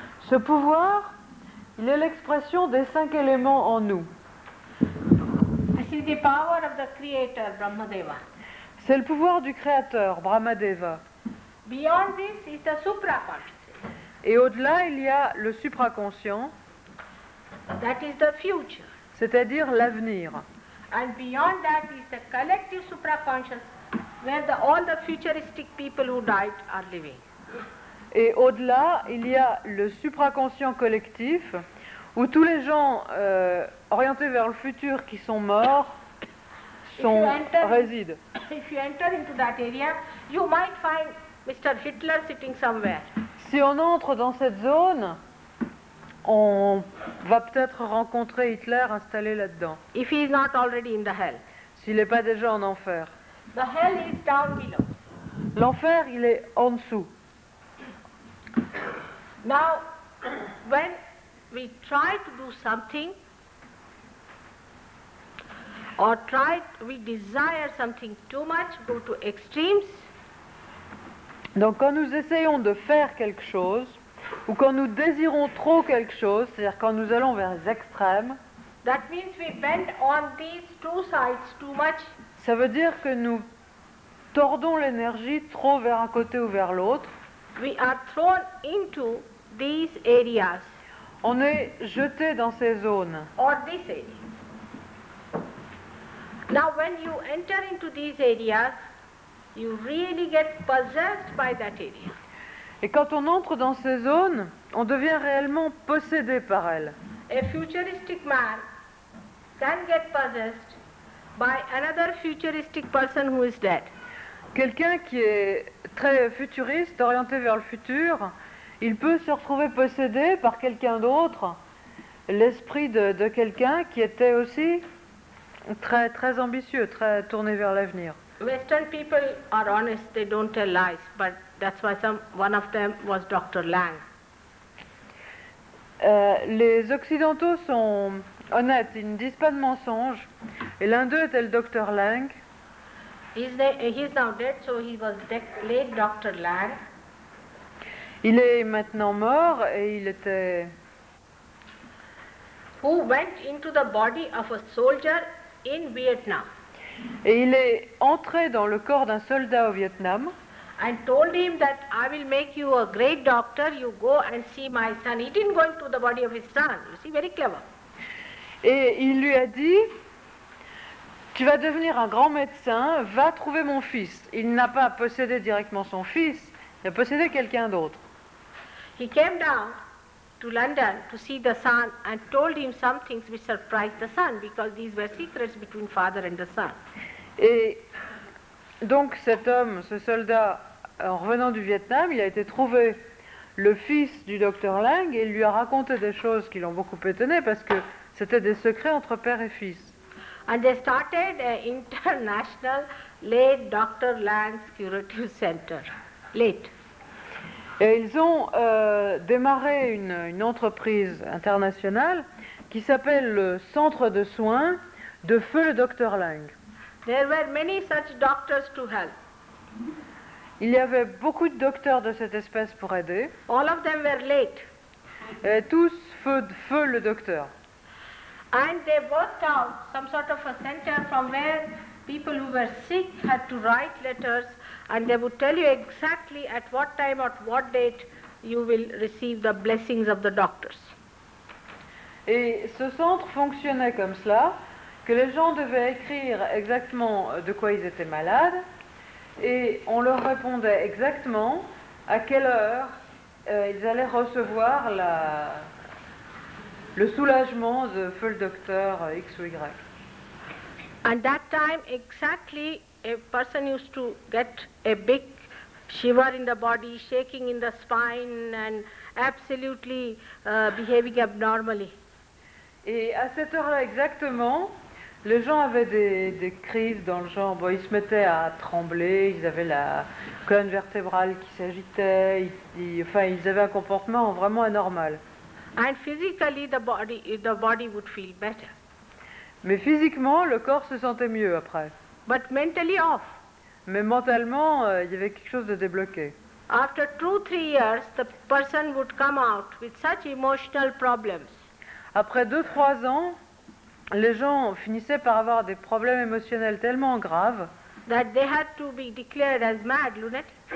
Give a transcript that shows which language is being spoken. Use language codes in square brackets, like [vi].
[fr] Ce pouvoir, il est l'expression des cinq éléments en nous. [en] This is the power of the creator, Brahmadeva. [fr] C'est le pouvoir du créateur, Brahmadeva. [en] Beyond this is the supraconscious. [fr] Et au-delà, il y a le supraconscient. [en] That is the future. [fr] C'est-à-dire l'avenir. [en] And beyond that is the collective supraconscious, where all the futuristic people who died are living. [fr] Et au-delà, il y a le supraconscient collectif, où tous les gens orientés vers le futur qui sont morts résident. [en] If you enter into that area, you might find Mr. Hitler sitting somewhere. [fr] Si on entre dans cette zone, on va peut-être rencontrer Hitler installé là-dedans. [en] If he is not already in the hell. [fr] S'il n'est pas déjà en enfer. [en] The hell is down below. [fr] L'enfer, il est en dessous. [en] Now, when we try to do something, or try, we desire something too much, go to extremes. [fr] Donc, quand nous essayons de faire quelque chose, ou quand nous désirons trop quelque chose, c'est-à-dire quand nous allons vers les extrêmes, [en] that means we bend on these two sides too much. [fr] Ça veut dire que nous tordons l'énergie trop vers un côté ou vers l'autre. [en] We are thrown into these areas. [fr] On est jeté dans ces zones. [en] Or this area. Now, when you enter into these areas, you really get possessed by that area. [fr] Et quand on entre dans ces zones, on devient réellement possédé par elles. [en] a futuristic man can get possessed by another futuristic person who is dead. [fr] Quelqu'un qui est très futuriste, orienté vers le futur, il peut se retrouver possédé par quelqu'un d'autre, l'esprit de quelqu'un qui était aussi très, très ambitieux, très tourné vers l'avenir. [en] Western people are honest, they don't tell lies, but that's why one of them was Dr. Lang. [fr] Les Occidentaux sont honnêtes, ils ne disent pas de mensonges, et l'un d'eux était le Dr. Lang. [en] He's now dead, so he was late Dr. Lang. [fr] Il est maintenant mort et il était... [en] Who went into the body of a soldier in Vietnam. [fr] Et il est entré dans le corps d'un soldat au Vietnam. [en] And told him that I will make you a great doctor, you go and see my son. He didn't go into the body of his son, you see, very clever. [fr] Et il lui a dit... Tu vas devenir un grand médecin, va trouver mon fils. Il n'a pas possédé directement son fils, il a possédé quelqu'un d'autre. [en] He came down to London to see the son and told him some things which surprised the son because these were secrets between father and the son. [fr] Et donc cet homme, ce soldat, en revenant du Vietnam, il a été trouvé le fils du docteur Lang et il lui a raconté des choses qui l'ont beaucoup étonné parce que c'était des secrets entre père et fils. [en] And they started an international late Dr. Lang's curative center. Late. [fr] Et ils ont démarré une entreprise internationale qui s'appelle le centre de soins de feu le Dr. Lang. [en] There were many such doctors to help. [fr] Il y avait beaucoup de docteurs de cette espèce pour aider. [en] All of them were late. [fr] Et tous feu le docteur. [en] And they worked out some sort of a center from where people who were sick had to write letters and they would tell you exactly at what time or what date you will receive the blessings of the doctors. [fr] Et ce centre fonctionnait comme cela, que les gens devaient écrire exactement de quoi ils étaient malades et on leur répondait exactement à quelle heure ils allaient recevoir la... le soulagement de feu le docteur X ou Y. [en] At that time, exactly, a person used to get a big shiver in the body, shaking in the spine, and absolutely behaving abnormally. [fr] Et à cette heure-là exactement, les gens avaient des crises dans le genre. Bon, ils se mettaient à trembler, ils avaient la colonne vertébrale qui s'agitait. Ils avaient un comportement vraiment anormal. [en] And physically, the body would feel better. [fr] Mais physiquement, le corps se sentait mieux après. [en] But mentally off. [fr] Mais mentalement, il y avait quelque chose de débloqué. [en] After 2-3 years, the person would come out with such emotional problems. [fr] Après 2-3 ans, les gens finissaient par avoir des problèmes émotionnels tellement graves [en] that they had to be declared as mad lunatic.